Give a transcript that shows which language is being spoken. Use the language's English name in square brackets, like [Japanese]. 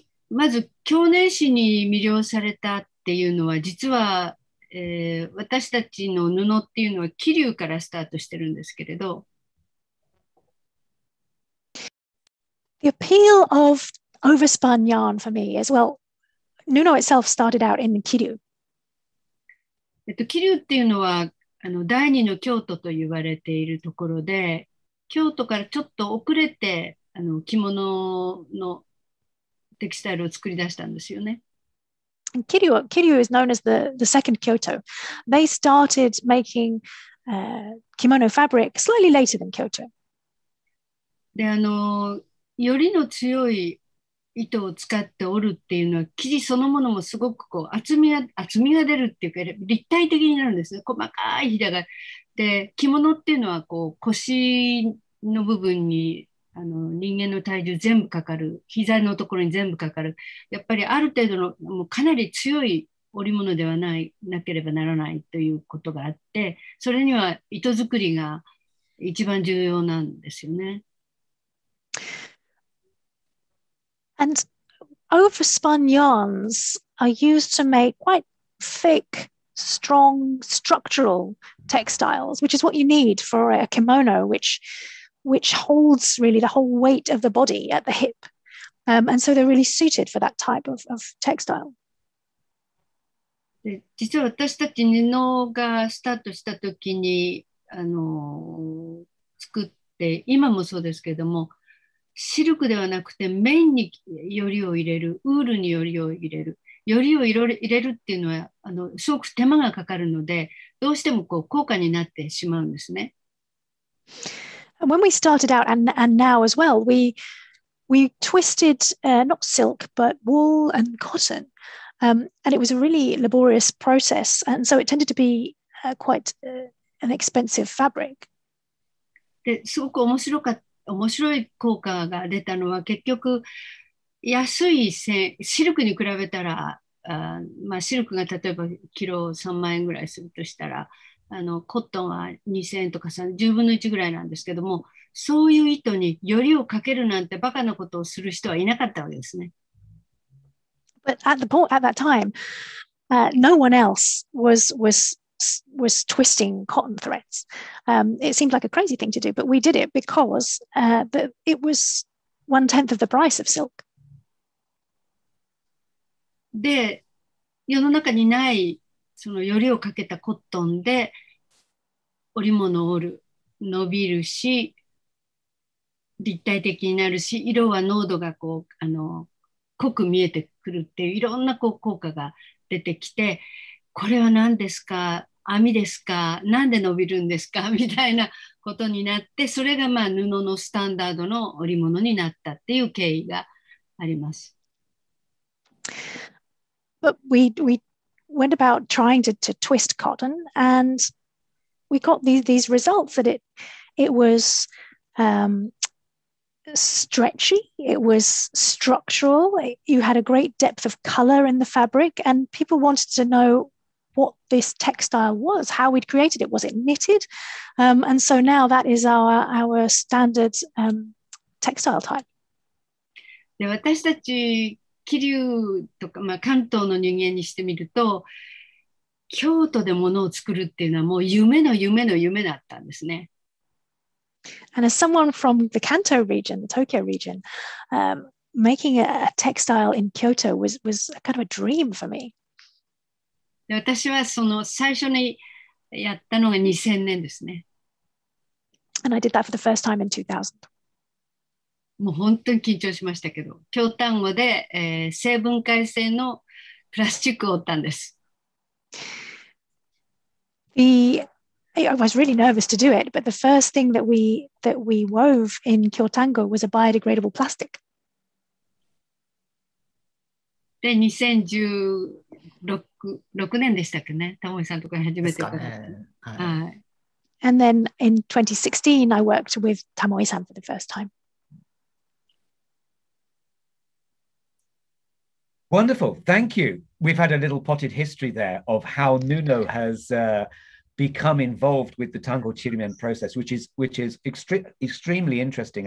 [Japanese] まず、去年市に魅了されたっていうのは、実は、私たちの布っていうのは、桐生からスタートしてるんですけれど。 [English] The appeal of overspun yarn for me as well. Nuno itself started out in Kiryu. [Japanese] 桐生っていうのは、第二の京都と言われているところで、京都からちょっと遅れて着物のテキスタイルを作り出したんですよね。 [English] Kiryu is known as the second Kyoto. They started making kimono fabric slightly later than Kyoto. [Japanese] で、よりの強い糸を使って織るっていうのは、生地そのものもすごくこう厚みが出るっていうか、立体的になるんですね。細かいひだが。で、着物っていうのはこう腰の部分に人間の体重全部かかる、膝のところに全部かかる、やっぱりある程度のもうかなり強い織物ではないなければならないということがあって、それには糸作りが一番重要なんですよね。 [English] And overspun yarns are used to make quite thick, strong structural textiles, which is what you need for a kimono, which holds really the whole weight of the body at the hip. And so they're really suited for that type of textile. [Japanese] 実は私たち布がスタートした時に作って、今もそうですけれども、シルクではなくて綿によりを入れる、ウールによりを入れる、よりを入れるっていうのはすごく手間がかかるので、どうしてもこう高価になってしまうんですね。 [English] And when we started out, and now as well, we twisted not silk, but wool and cotton. And it was a really laborious process. And so it tended to be quite an expensive fabric. [Japanese] すごく面白い効果が出たのは、結局安い線、シルクに比べたら、シルクが例えばキロ3万円ぐらいするとしたら、コットンは2000円とか10分の1ぐらいなんですけども、そういう糸によりをかけるなんてバカなことをする人はいなかったわけですね。 [English] But at that time, no one else was twisting cotton threads. It seemed like a crazy thing to do, but we did it because it was 1/10 of the price of silk. [Japanese] で、世の中にないそのよりをかけたコットンで織物を織る、伸びるし立体的になるし、色は濃度がこう濃く見えてくるっていう、いろんなこう効果が出てきて、これは何ですか、網ですか、なんで伸びるんですかみたいなことになって、それがまあ布のスタンダードの織物になったっていう経緯があります。 [English] But we went about trying to twist cotton, and we got these results that it was stretchy, it was structural, you had a great depth of color in the fabric, and people wanted to know what this textile was, how we'd created it, was it knitted? And so now that is our standard textile type. [Japanese] で、私たち桐生とか、関東の人間にしてみると、京都で物を作るっていうのはもう夢の夢の夢だったんですね。 [English] And as someone from the Kanto region, the Tokyo region, making a textile in Kyoto was a kind of a dream for me. [Japanese] 私はその最初にやったのが2000年ですね。 [English] And I did that for the first time in 2000. [Japanese] もう本当に緊張しましたけど、京丹後で、生分解性のプラスチックを織ったんです。 [English] I was really nervous to do it, but the first thing that we wove in Kyotango was a biodegradable plastic. [Japanese] で、2016 6年でしたっけね、タモリさんとかに初めて伺った、ね、はい。 [English] And then in 2016, I worked with Tamoi-san for the first time. Wonderful. Thank you. We've had a little potted history there of how Nuno has become involved with the Tango Chirimen process, which is extremely interesting.